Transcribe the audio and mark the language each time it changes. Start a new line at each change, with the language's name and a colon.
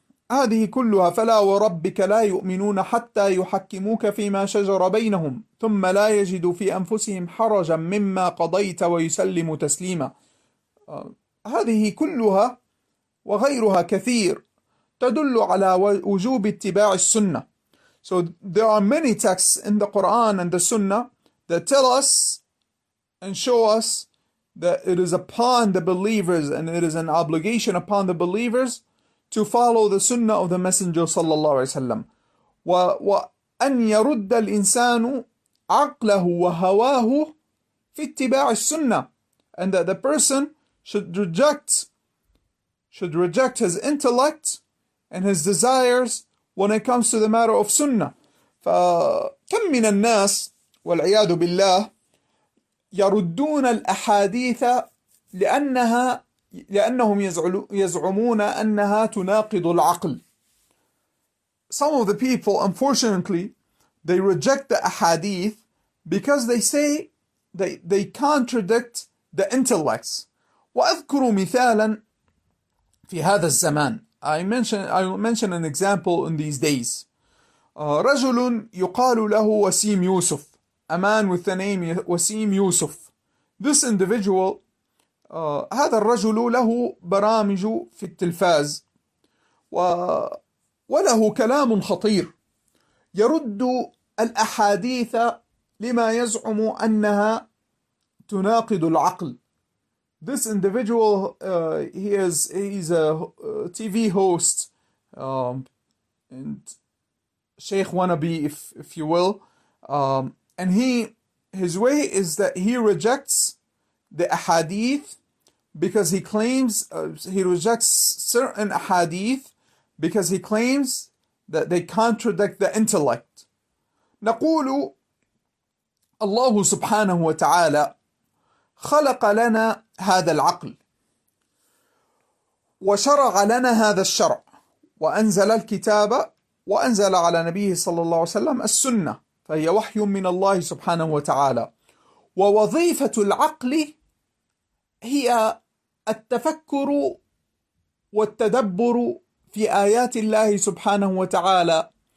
Arabic: هذه كلها فلا وربك لا يؤمنون حتى يحكموك فيما شجر بينهم ثم لا يجدوا في أنفسهم حرجا مما قضيت ويسلموا تسليما. هذه كلها وغيرها كثير تدل على وجوب اتباع السنة.
English: So there are many texts in the Quran and the Sunnah that tell us and show us that it is upon the believers and it is an obligation upon the believers to follow the Sunnah of the Messenger صلى الله عليه وسلم.
Arabic: وأن يرد الإنسان عقله وهواه في اتباع السنة.
English: And that the person should reject his intellect and his desires when it comes to the matter of sunnah.
Arabic: فكم من الناس والعياذ بالله يردون الأحاديث لأنهم يزعمون أنها تناقض العقل.
English: Some of the people, unfortunately, they reject the ahadith because they say they contradict the intellects.
Arabic: وأذكر مثالا في هذا الزمان.
English: I mention an example in these days.
Arabic: رجل يقال له
English: وسيم يوسف. A man with the name وسيم يوسف. This individual,
Arabic: هذا الرجل له برامج في التلفاز وله كلام خطير يرد الأحاديث لما يزعم أنها تناقض العقل.
English: This individual, he's a TV host and Sheikh wannabe, if you will, and his way is that he rejects the ahadith because he claims he rejects certain ahadith because he claims that they contradict the intellect.
Arabic: نقول الله سبحانه وتعالى خلق لنا هذا العقل وشرع لنا هذا الشرع وأنزل الكتاب وأنزل على نبيه صلى الله عليه وسلم السنة فهي وحي من الله سبحانه وتعالى ووظيفة العقل هي التفكر والتدبر في آيات الله سبحانه وتعالى